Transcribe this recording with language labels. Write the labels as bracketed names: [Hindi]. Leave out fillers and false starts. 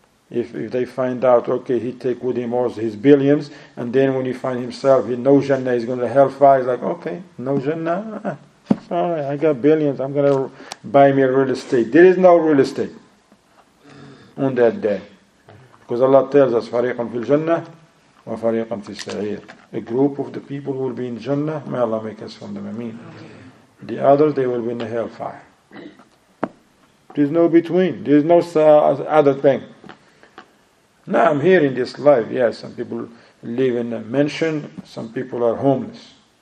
[English] If they find out, okay, he take with him all his billions, and then when he find himself in no Jannah, he's going to hellfire, he's like, okay, no Jannah. Alright, I got billions, I'm going to buy me a real estate. There is no real estate on that day. [Arabic] Because Allah tells us, فَرِيقًا فِي الْجَنَّةِ وَفَرِيقًا فِي السَّعِيرِ. [English] A group of the people who will be in Jannah, may Allah make us from them. Ameen. The others, they will be in the hellfire. There's no between. There's no other thing. Now I'm here in this life. Yes, yeah, some people live in a mansion. Some people are homeless.